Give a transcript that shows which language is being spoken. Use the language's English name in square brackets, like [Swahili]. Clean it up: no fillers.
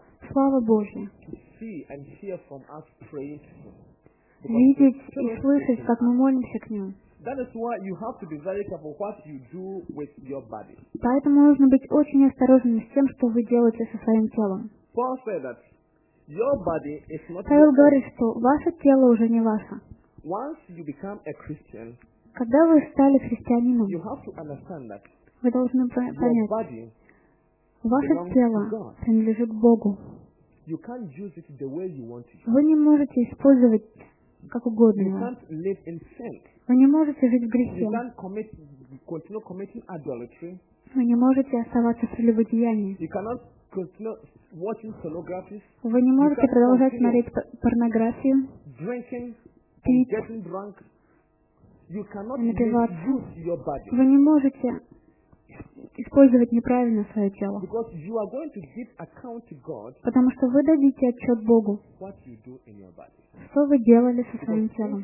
[Russian] Слава Божья. Видеть и слышать, как мы молимся к Нему. [English] That is why you have to be very careful what you do with your body. [Russian] Поэтому нужно быть очень осторожным с тем, что вы делаете со своим телом. [English] Paul said that your body is not. [Russian] Павел говорит, что ваше тело уже не ваше. [English] Once you become a Christian, [Russian] когда вы стали христианином, [English] you have to understand that [Russian] вы должны понять, [English] your body [Russian] ваше тело принадлежит Богу. [English] You can't use it the way you want to. [Russian] Вы не можете использовать как угодно. [English] You can't live in sin. [Russian] Вы не можете жить в грехе. [English] You can't commit, continue committing adultery. [Russian] Вы не можете оставаться в прелюбодеянии. [English] You cannot continue watching pornography. [Russian] Вы не можете продолжать смотреть порнографию. [English] Drinking, and getting drunk. You cannot misuse your body. [Russian] Вы не можете использовать неправильно свое тело. [English] Because you are going to give account to God. [Russian] Потому что вы дадите отчет Богу. [English] What you do in your body. [Russian] Что вы делали со своим телом?